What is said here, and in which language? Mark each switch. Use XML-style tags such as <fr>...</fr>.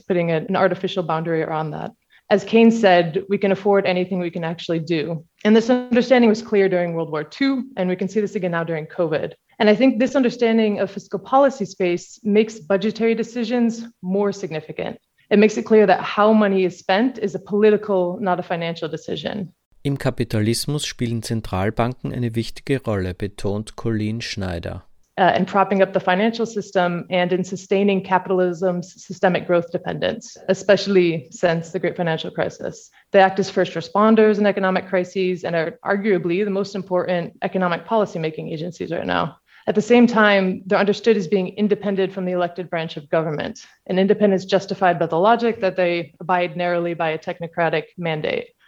<en>It's putting an artificial boundary around that. As Keynes said, we can afford anything we can actually do. And this understanding was clear during World War II, and we can see this again now during COVID. And I think this understanding of fiscal policy space makes budgetary decisions more significant. It makes it clear that how money is spent is a political, not a financial decision.</en> <de>Im Kapitalismus spielen Zentralbanken eine wichtige Rolle, betont Colleen Schneider.</de> <en>and propping up the financial system and in sustaining capitalism's systemic growth dependence, especially since the Great Financial Crisis. They act as first responders in economic crises and are arguably the most important economic policymaking agencies right now. At the same time, they're understood as being independent from the elected branch of government, an independence justified by the logic that they abide narrowly by a technocratic mandate.</en>